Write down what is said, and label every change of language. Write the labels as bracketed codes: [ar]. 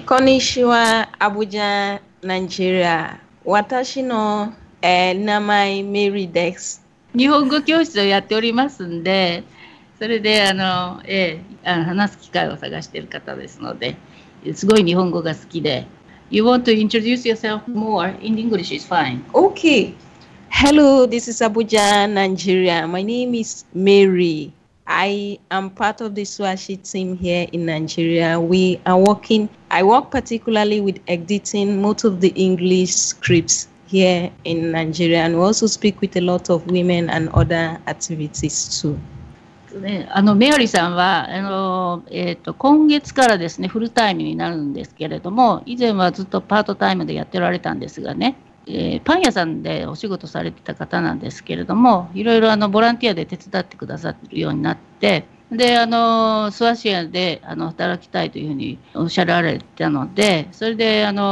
[ja] こんにちは、アブジャ、ナイジェリア。私の、名前メリーです。日本語教室をやっておりますんで、それで話す機会を探している方ですので、すごい日本語が好きで。 [en] You want to introduce yourself more in English is fine. Okay. Hello, this is Abuja, Nigeria. My name is Mary. I am part of the Swazi team here in Nigeria. We are working, I work particularly with editing most of the English scripts here in Nigeria, and we also speak with a lot of women and other activities too. [ja] メアリーさんは今月からですね、フルタイムになるんですけれども、以前はずっとパートタイムでやってられたんですがね、パン屋さんでお仕事されてた方なんですけれども、いろいろボランティアで手伝ってくださるようになって、でスワシアで働きたいというふうにおっしゃられたので、それで